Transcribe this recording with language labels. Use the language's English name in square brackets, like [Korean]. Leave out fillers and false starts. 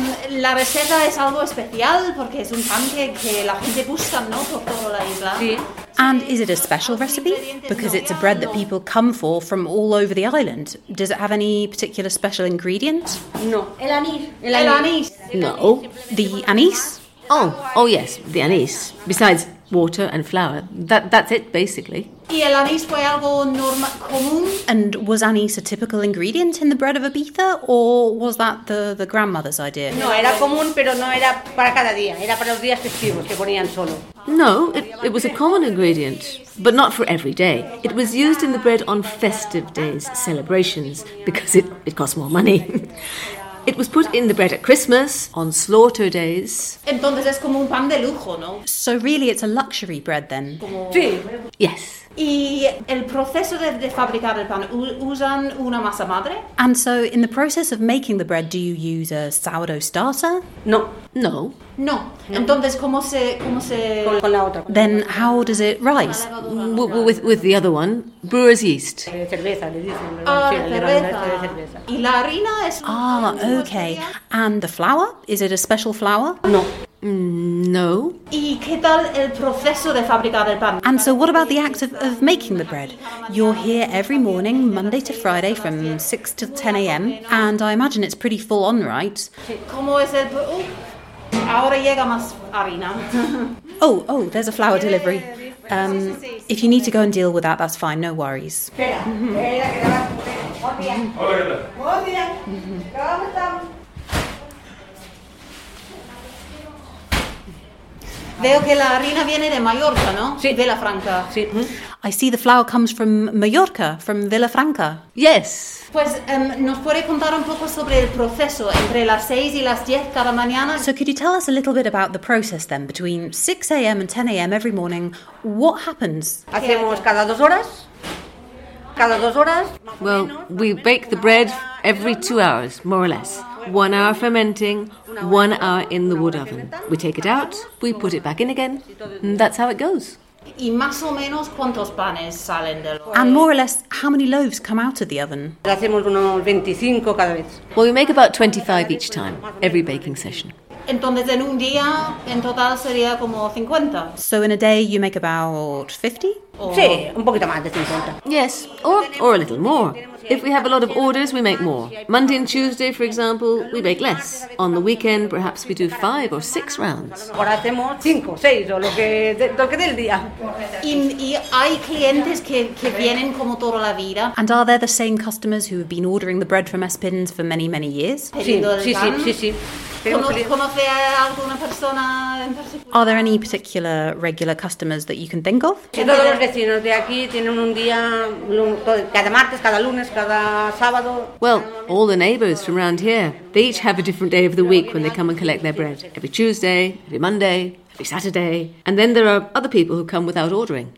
[Spanish] La receta es algo especial porque es un pan que la gente busca, ¿no? Por toda la isla. Sí. [English] And is it a special recipe? Because it's a bread that people come for from all over the island. Does it have any particular special ingredient? No. [Spanish] El anís. No. [English] The anís? Oh, yes, the anís. Besides water and flour, that's it, basically. [Spanish] ¿Y el anís fue algo normal, común? [English] And was anís a typical ingredient in the bread of Ibiza, or was that the grandmother's idea? [Spanish] No, era común, pero no era para cada día. Era para los días festivos, que ponían solo. [English] No, it was a common ingredient, but not for every day. It was used in the bread on festive days, celebrations, because it cost more money. It was put in the bread at Christmas, on slaughter days. [Spanish] Entonces es como un pan de lujo, ¿no? [English] So really it's a luxury bread then? [Spanish] Sí. [English] Yes. [Spanish] ¿Y el proceso de fabricar el pan, usan una masa madre? [English] And so in the process of making the bread, do you use a sourdough starter? [Spanish] No. [English] No. [Spanish] No. Entonces, ¿cómo se...? Con la otra. [English] Then how does it rise? With the other one. Brewer's yeast. [Spanish] Cerveza. Y la harina es... [English] Ah, okay. And the flour? Is it a special flour? [Spanish] No. No. ¿Y qué tal el proceso de fabricar el pan? [English] And so what about the act of making the bread? You're here every morning, Monday to Friday, from 6 to 10 a.m., and I imagine it's pretty full on, right? [Spanish] ¿Cómo es el... ahora llega más harina. [English] Oh, there's a flour delivery. If you need to go and deal with that, that's fine, no worries. [Spanish] Veo que la harina viene de Mallorca, ¿no? Sí. Villa Franca. Sí. [English] I see the flour comes from Mallorca, from Villa Franca. Yes. [Spanish] Pues, ¿nos puede contar un poco sobre el proceso entre las 6 y las 10 cada mañana? [English] So could you tell us a little bit about the process then, between 6 a.m. and 10 a.m. every morning, what happens? [Spanish] Hacemos cada dos horas. Cada dos horas. [English] Well, we bake the bread every 2 hours, more or less. 1 hour fermenting, 1 hour in the wood oven. We take it out, we put it back in again, and that's how it goes. [Spanish] ¿Y más o menos cuántos panes salen del [English] oven? And more or less, how many loaves come out of the oven? [Spanish] Hacemos unos 25 cada vez. [English] Well, we make about 25 each time, every baking session. [Spanish] Entonces, en un día, en total sería como 50. [English] So in a day, you make about 50? [Spanish] Sí, un poquito más de 50. [English] Yes, or a little more. If we have a lot of orders, we make more. Monday and Tuesday, for example, we bake less. On the weekend, perhaps we do 5 or 6 rounds. [Spanish] Ahora hacemos 5, 6, o lo que del día. Y hay clientes que vienen como toda la vida. [English] And are there the same customers who have been ordering the bread from Espins for many, many years? [Spanish] Sí. ¿Conoce a alguna persona en particular? [English] Are there any particular regular customers that you can think of? [Spanish] Sí, todos los vecinos de aquí tienen un día, cada martes, cada lunes, cada sábado. [English] Well, all the neighbors from around here, they each have a different day of the week when they come and collect their bread. Every Tuesday, every Monday, every Saturday. And then there are other people who come without ordering.